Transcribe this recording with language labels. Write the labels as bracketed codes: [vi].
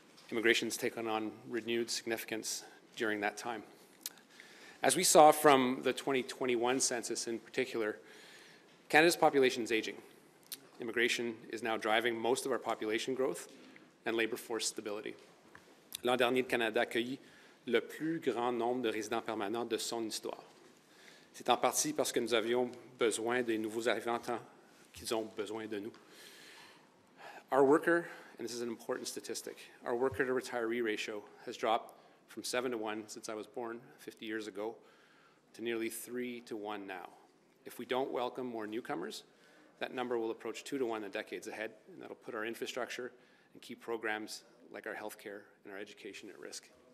[en] Immigration's taken on renewed significance during that time. As we saw from the 2021 census in particular, Canada's population is aging. Immigration is now driving most of our population growth and labour force stability. [fr] L'an dernier, le Canada a accueilli le plus grand nombre de résidents permanents de son histoire. C'est en partie parce que nous avions besoin des nouveaux arrivants tant qu'ils ont besoin de nous. [en] Our worker, and this is an important statistic, our worker to retiree ratio has dropped from 7 to 1 since I was born 50 years ago to nearly 3 to 1 now. If we don't welcome more newcomers, that number will approach 2 to 1 in the decades ahead, and that'll put our infrastructure and key programs like our healthcare and our education at risk.